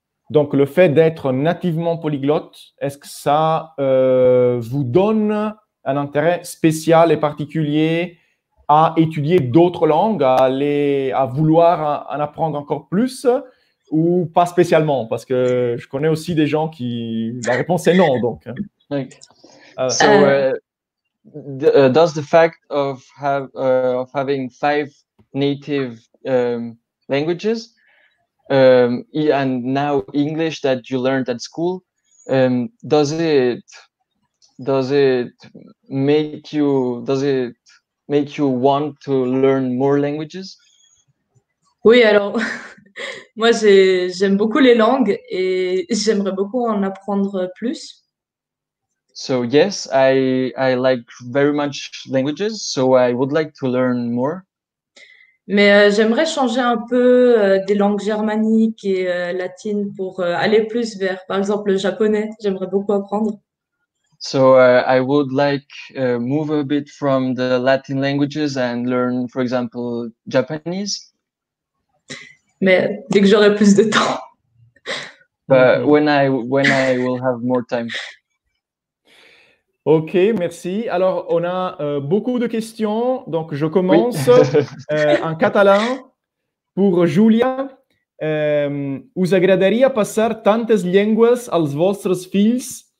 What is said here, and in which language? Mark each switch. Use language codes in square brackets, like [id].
[fr] donc le fait d'être nativement polyglotte, est-ce que ça vous donne un intérêt spécial et particulier à étudier d'autres langues, à vouloir en apprendre encore plus, ou pas spécialement? Parce que je connais aussi des gens qui... La réponse est non, donc. [en] Okay. So, does the fact of having five native languages, and now English that you learned at school, does it make you want to learn more languages? [fr] Oui, alors, moi, j'aime beaucoup les langues et j'aimerais beaucoup en apprendre plus. [en] So, yes, I like very much languages, so I would like to learn more. [fr] Mais j'aimerais changer un peu des langues germaniques et latines pour aller plus vers, par exemple, le japonais. J'aimerais beaucoup apprendre. [en] So I would like move a bit from the Latin languages and learn, for example, Japanese. [fr] Mais dès que j'aurai plus de temps. [en] But when I will have more time. [fr] Ok, merci. Alors on a beaucoup de questions, donc je commence en catalan pour Julia. [ca] Us agradaria passar tantes llengües als vostres fills?